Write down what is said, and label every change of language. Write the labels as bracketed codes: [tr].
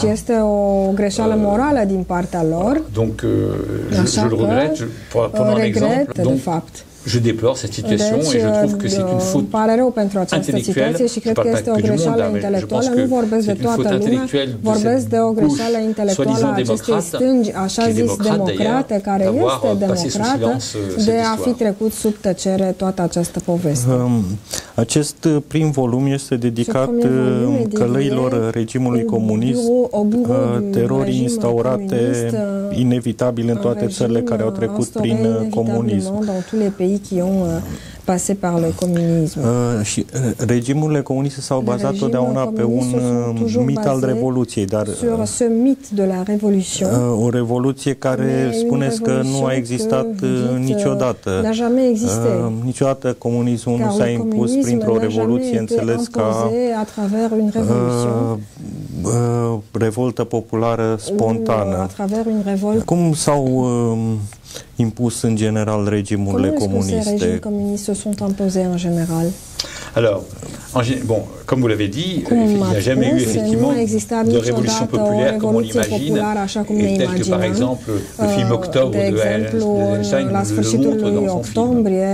[ro] Deci este o greșeală morală din partea lor. [fr] Donc je le regrette pour un exemple. [ro] De fapt. [fr] Je déplore cette situation et je trouve que c'est une faute. [ro] Pare rău pentru această situație și cred că este o greșeală intelectuală. Nu vorbesc de toată lumea, vorbesc de o greșeală intellectuală a acestei stângi, așa zis democrate, care este democrată, de a fi trecut sub tăcere toată această poveste. Acest prim volum este dedicat călăilor regimului comunist, terorii instaurate inevitabil în toate țările care au trecut prin comunism. [fr] Qui ont passé par le communisme. [ro] Și regimurile comuniste s-au bazat totdeauna pe un mit al revoluției, dar [fr] ce mit de la révolution. [ro] O revoluție care spuneți că nu a existat niciodată. [fr] N-a jamais existé. [ro] Niciodată comunismul nu s-a impus printr-o revoluție, înțeles ca [fr] à travers une [ro] revoltă populară spontană. Cum s-au impus în general regimurile comuniste? [fr] Se sont imposés en général. Alors, comme vous l'avez dit, il n'y a jamais eu effectivement de révolution populaire comme on l'imagine, et tel que par exemple le film Octobre de Eisenstein le montre dans son film.